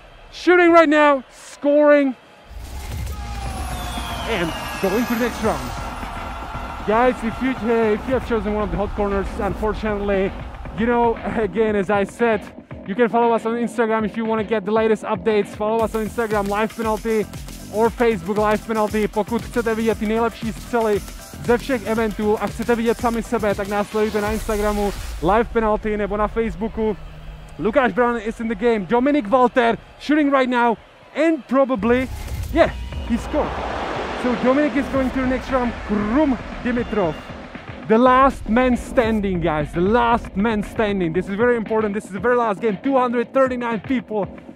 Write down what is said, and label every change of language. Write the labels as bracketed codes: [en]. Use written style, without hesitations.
[en] Shooting right now, scoring. And going to the next round. Guys, if you have chosen one of the hot corners, unfortunately, you know, again, as I said, you can follow us on Instagram if you want to get the latest updates. Follow us on Instagram, Live Penalty. [cs] Or Facebook Live Penalty, pokud chcete vidět ty nejlepší střely ze všech eventů a chcete vidět sami sebe, tak nás sledujte na Instagramu Live Penalty nebo na Facebooku. [en] Lukáš Brown is in the game. Dominik Walter shooting right now and probably, yeah, he scored. So Dominik is going to the next round. Krum Dimitrov. The last man standing, guys. The last man standing. This is very important. This is the very last game. 239 people.